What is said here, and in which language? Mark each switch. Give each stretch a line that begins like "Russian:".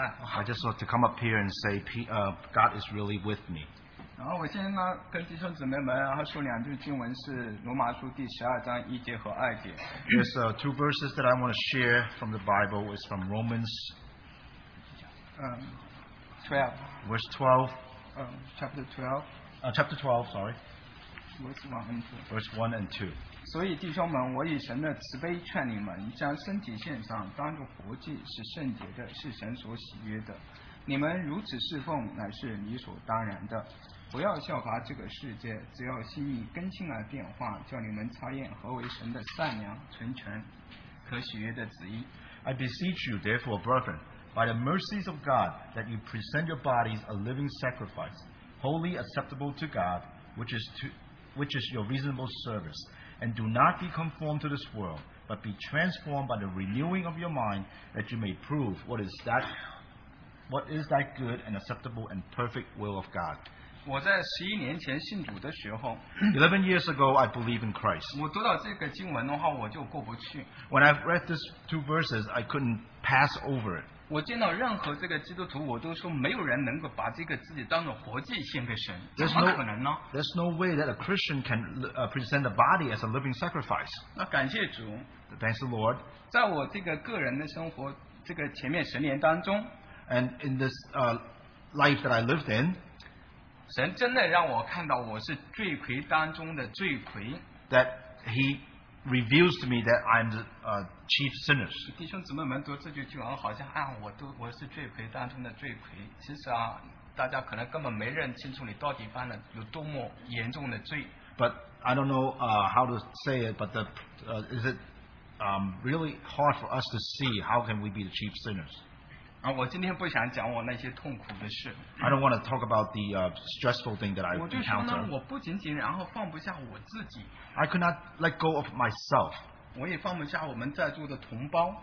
English: I just want to come up here and say, God is really with me.
Chinese: 然后我先呢跟弟兄姊妹们然后说两句经文，是罗马书第十二章一节和二节。
English: There's two verses that I want to share from the Bible. It's from Romans 12. Verse 12. Chapter 12. Verse 1 and 2.
Chinese: 所以弟兄们，我以神的慈悲劝你们，将身体献上，当作活祭，是圣洁的，是神所喜悦的。你们如此侍奉，乃是理所当然的。不要效法这个世界，只要心意更新而变化，叫你们查验何为神的善良、纯全、可喜悦的旨意。
English: I beseech you, therefore, brethren, by the mercies of God, that you present your bodies a living sacrifice, wholly acceptable to God, which is your reasonable service. And do not be conformed to this world, but be transformed by the renewing of your mind, that you may prove what is that good and acceptable and perfect will of God.
Chinese: 我在十一年前信主的时候
English: ，11 years ago I believe in Christ。
Chinese: 我读到这个经文的话，我就过不去。
English: When I read these two verses, I couldn't pass over it。
Chinese: 我见到任何这个基督徒，我都说没有人能够把这个自己当做活祭献给神，怎么可能呢
English: ？There's no way that a Christian can present a body as a living sacrifice。
Chinese: 那感谢主
English: ，Thanks the Lord。
Chinese: 在我这个个人的生活这个前面十年当中
English: ，And in this life that I lived in。
Chinese: 神真的让我看到我是罪魁当中的罪魁。
English: That he reveals to me that I'm the chief sinner.
Chinese: 弟兄姊妹们读这句经文，好像啊，我是罪魁当中的罪魁。其实啊，大家可能根本没认清楚你到底犯了有多么严重的罪。
English: But I don't know how to say it. But is it really hard for us to see how can we be the chief sinners?
Chinese: 我今天不想讲我那些痛苦的事。
English: I don't want to talk about the stressful thing that I encounter.
Chinese: 我就说呢，我不仅仅然后放不下我自己。
English: I could not let go of myself.
Chinese: 我也放不下我们在座的同胞。